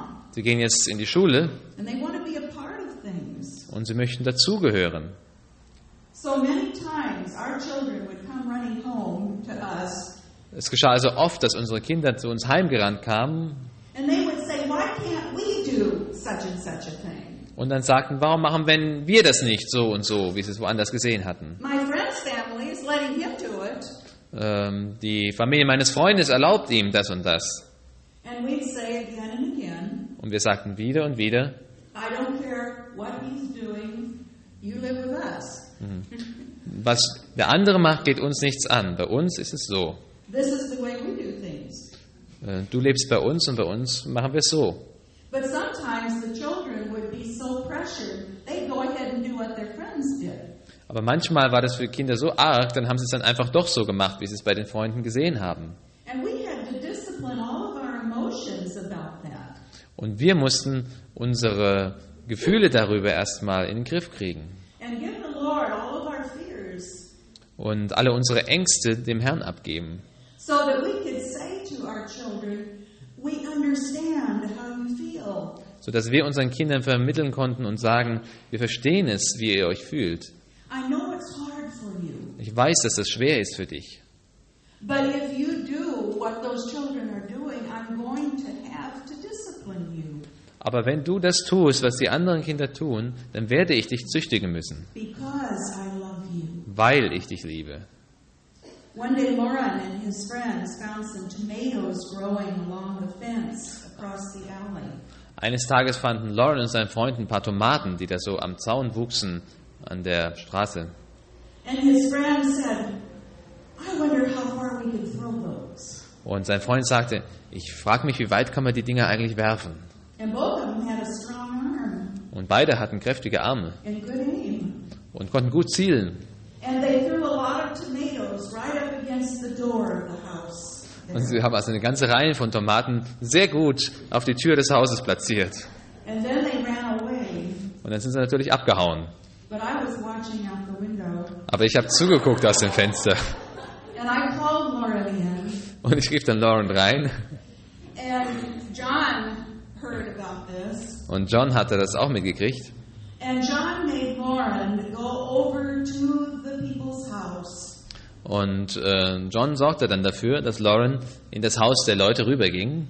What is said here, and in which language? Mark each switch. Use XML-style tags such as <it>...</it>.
<de>Sie gehen jetzt in die Schule und sie möchten dazugehören.</de> <en>So many times our children would come running home to us.</en> <de>Es geschah also oft, dass unsere Kinder zu uns heimgerannt kamen.</de> <en>And they would say, why can't we do such and such a thing?</en> <de>Und dann sagten, warum machen wenn wir das nicht so und so, wie sie es woanders gesehen hatten?</de> <en>My friend's family is letting him do it.</en> <de>Die Familie meines Freundes erlaubt ihm das und das.</de> <en>And we'd say again and again.</en> <de>Und wir sagten wieder und wieder.</de> <en>I don't care what he's doing. You live with us.</en> <de>Was der andere macht, geht uns nichts an. Bei uns ist es so.</de> <en>This is the way we do things.</en> <de>Du lebst bei uns machen wir es so.</de> <en>But sometimes the children would be so pressured, they'd go ahead and do what their friends did.</en> <de>Aber manchmal war das für Kinder so arg, dann haben sie es dann einfach doch so gemacht, wie sie es bei den Freunden gesehen haben.</de> <en>And we had to discipline all of our emotions about that.</en> <de>Und wir mussten unsere Gefühle darüber erstmal in den Griff kriegen.</de> <en>And give the Lord all of our fears.</en> <de>Und alle unsere Ängste dem Herrn abgeben.</de> <en>So that we could say to our children, we understand how you feel.</en> <de>So dass wir unseren Kindern vermitteln konnten und sagen, wir verstehen es, wie ihr euch fühlt.</de> <en>I know it's hard for you.</en> <de>Ich weiß, dass es schwer ist für dich.</de> <en>But if you do what those children are doing, I'm going to have to discipline you.</en> <de>Aber wenn du das tust, was die anderen Kinder tun, dann werde ich dich züchtigen müssen.</de> <en>Because I love you.</en> <de>Weil ich dich liebe.</de> <en>One day Lauren and his friends found some tomatoes growing along the fence across the alley.</en> <de>Eines Tages fanden Lauren und sein Freund ein paar Tomaten, die da so am Zaun wuchsen an der Straße.</de> <en>And his friend said, I wonder how far we can throw those.</en> <de>Und sein Freund sagte, ich frage mich, wie weit kann man die Dinger eigentlich werfen?</de> <en>And both of them had a strong arm.</en> <de>Und beide hatten kräftige Arme.</de> <en>And good aim.</en> <de>Und konnten gut zielen.</de> <en>And they threw a lot of tomatoes right up against the door of the house.</en> <de>Und sie haben also eine ganze Reihe von Tomaten sehr gut auf die Tür des Hauses platziert.</de> <en>And then they ran away.</en> <de>Und dann sind sie natürlich abgehauen.</de> <en>But I was watching out the window.</en> <de>Aber ich habe zugeguckt aus dem Fenster.</de> <en>And I called Lauren in.</en> <de>Und ich rief dann Lauren rein.</de> <en>And John heard about this.</en> <de>Und John hatte das auch mitgekriegt.</de> <en>And John made Lauren go over to the people's house.</en> <de>Und John sorgte dann dafür, dass Lauren in das Haus der Leute rüberging.</de>